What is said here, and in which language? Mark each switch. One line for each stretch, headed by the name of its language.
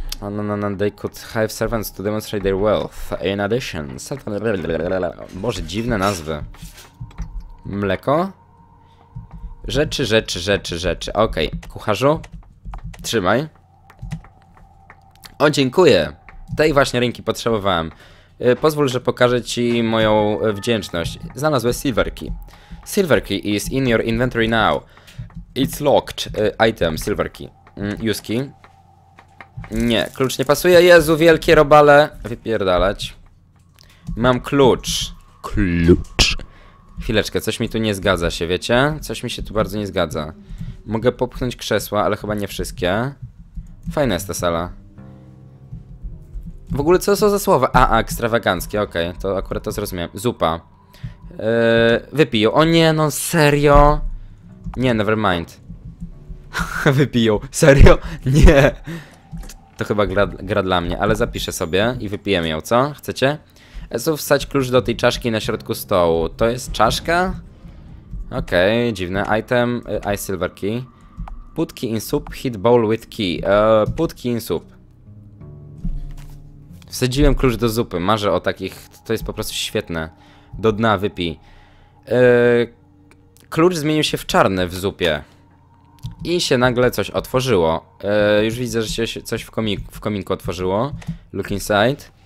English: No, they could have servants to demonstrate their wealth. In addition,
Polish: Boże, dziwne nazwy. Mleko? Rzeczy. Okej, okay. Kucharzu, trzymaj. O, dziękuję. Tej właśnie ręki potrzebowałem. Pozwól, że pokażę ci moją wdzięczność. Znalazłem silver key.
English: Silver key is in your inventory now. It's locked. Item, silver key. Use key.
Polish: Nie, klucz nie pasuje. Jezu, wielkie robale. Wypierdalać. Mam klucz. Klucz. Chwileczkę, coś mi tu nie zgadza się, wiecie? Coś mi się tu bardzo nie zgadza. Mogę popchnąć krzesła, ale chyba nie wszystkie. Fajna jest ta sala. W ogóle co to są za słowa? A, ekstrawaganckie, okej. Okay, to akurat to zrozumiałem. Zupa. Wypiją. O nie, no serio? Nie,
English: never mind.
Polish: Wypiją. Serio? Nie. To chyba gra dla mnie, ale zapiszę sobie i wypijemy ją, co? Chcecie? Zów, wsadź klucz do tej czaszki na środku stołu. To jest czaszka? Okej, okay, dziwne.
English: Item, ice silver key. Put key in soup, hit bowl with key. Put key in soup.
Polish: Wsadziłem klucz do zupy, marzę o takich. To jest po prostu świetne. Do dna wypij. Klucz zmienił się w czarny w zupie. I się nagle coś otworzyło. Już widzę, że się coś w kominku otworzyło.
English: Look inside.